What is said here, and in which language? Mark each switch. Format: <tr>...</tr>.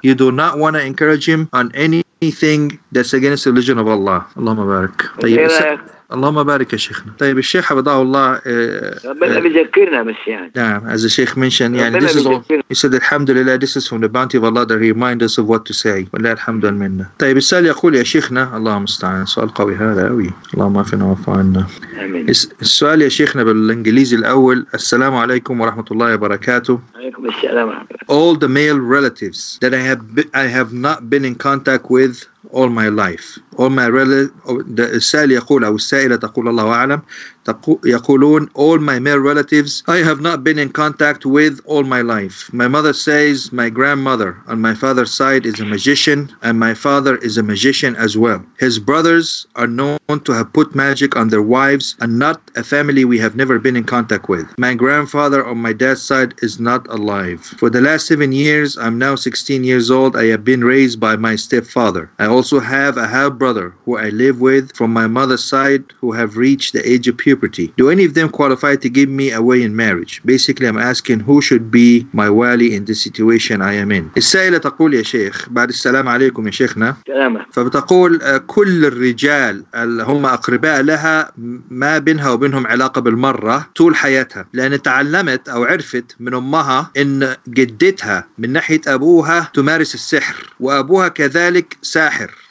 <en>You do not want to encourage him on anything that's against the religion of Allah.</en> <ar>Allahumma barak. Allahumma barik ya Sheikhna. طيب الشيخ حفظه الله ربنا بيذكرنا بس يعني.</ar> <en>نعم, as the Sheikh mentioned, يعني this is all, he said alhamdulillah, this is from the bounty of Allah that remind us of what to say.</en> <ar>والله الحمد لله. طيب السؤال يقول يا شيخنا, اللهم استعان, سؤال قوي هذا قوي. اللهم اعفنا وعافنا. آمين. السؤال يا شيخنا بالانجليزي الاول, السلام عليكم ورحمه الله وبركاته. وعليكم السلام ورحمه الله.</ar> <en>All the male relatives that I have not been in contact with all my life, all my relatives,</en> <ar>السائل يقول أو السائلة تقول الله أعلم, يقولون</ar> <en>all my male relatives I have not been in contact with all my life. My mother says my grandmother on my father's side is a magician, and my father is a magician as well. His brothers are known to have put magic on their wives, and not a family we have never been in contact with. My grandfather on my dad's side is not alive. For the last 7 years, I'm now 16 years old, I have been raised by my stepfather. I also have a half-brother who I live with from my mother's side who have reached the age of puberty. Do any of them qualify to give me away in marriage? Basically, I'm asking who should be my wali in the situation I am in.</en> <ar>السائلة تقول يا شيخ, بعد السلام عليكم يا شيخنا. سلامة. فبتقول كل الرجال هم أقرباء لها ما بينها وبينهم علاقة بالمرة طول حياتها, لأن تعلمت أو عرفت من أمها أن جدتها من ناحية أبوها تمارس السحر, وأبوها كذلك ساحر.</ar>